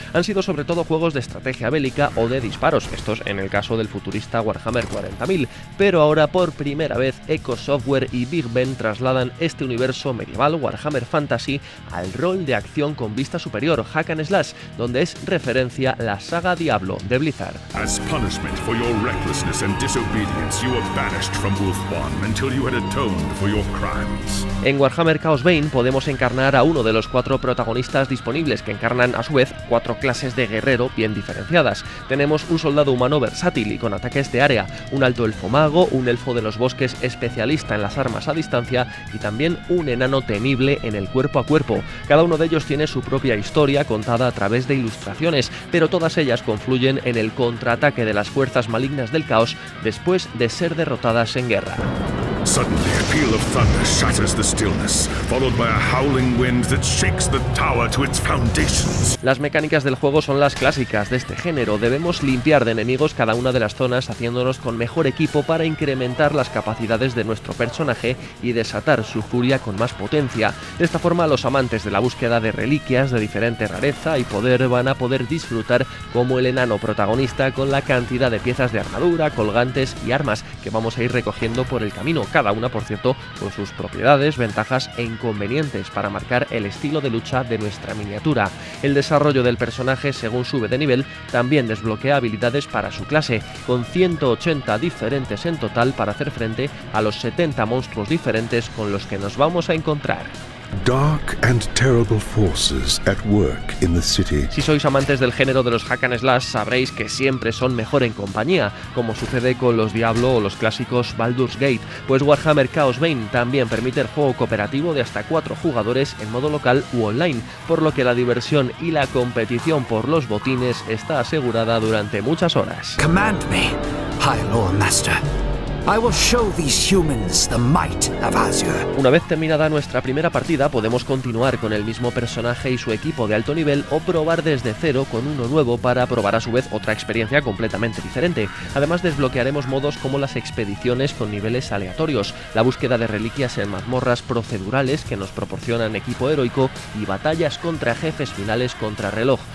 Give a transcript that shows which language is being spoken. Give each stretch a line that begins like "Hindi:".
Spanish: Han sido sobre todo juegos de estrategia bélica o de disparos, estos en el caso del futurista Warhammer 40.000, pero ahora por primera vez Echo Software y Big Ben trasladan este universo medieval Warhammer Fantasy al rol de acción con vista superior hack and slash, donde es referencia la saga Diablo de Blizzard.
English: As punishment for your recklessness and disobedience, you were banished from Wolfborn until you had atoned for your crimes.
Spanish: En Warhammer Chaosbane podemos encarnar a uno de los cuatro protagonistas disponibles, que encarnan a su vez cuatro clases de guerrero bien diferenciadas. Tenemos un soldado humano versátil y con ataques de área, un alto elfo mago, un elfo de los bosques especialista en las armas a distancia y también un enano temible en el cuerpo a cuerpo. Cada uno de ellos tiene su propia historia contada a través de ilustraciones, pero todas ellas confluyen en el contraataque de las fuerzas malignas del caos después de ser derrotadas en guerra.
English: Suddenly, a peal of thunder shatters the stillness, followed by a howling wind that shakes the tower to its foundations.
Spanish: Las mecánicas del juego son las clásicas de este género. Debemos limpiar de enemigos cada una de las zonas, haciéndonos con mejor equipo para incrementar las capacidades de nuestro personaje y desatar su furia con más potencia. De esta forma, los amantes de la búsqueda de reliquias de diferente rareza y poder van a poder disfrutar como el enano protagonista con la cantidad de piezas de armadura, colgantes y armas que vamos a ir recogiendo por el camino. Cada una, por cierto, con sus propiedades, ventajas e inconvenientes para marcar el estilo de lucha de nuestra miniatura. El desarrollo del personaje, según sube de nivel, también desbloquea habilidades para su clase, con 180 diferentes en total para hacer frente a los 70 monstruos diferentes con los que nos vamos a encontrar.
English: Dark and terrible forces at work in the city.
Spanish: Si sois amantes del género de los hack and slash, sabréis que siempre son mejor en compañía, como sucede con los Diablo o los clásicos Baldur's Gate, pues Warhammer Chaosbane también permite el juego cooperativo de hasta 4 jugadores en modo local u online, por lo que la diversión y la competición por los botines está asegurada durante muchas horas.
English: Command me, High Lord Master. I will show these humans the might of Azure.
Spanish: Una vez terminada nuestra primera partida, podemos continuar con el mismo personaje y su equipo de alto nivel o probar desde cero con uno nuevo para probar a su vez otra experiencia completamente diferente. Además, desbloquearemos modos como las expediciones con niveles aleatorios, la búsqueda de reliquias en mazmorras procedurales que nos proporcionan equipo heroico y batallas contra jefes finales contra reloj.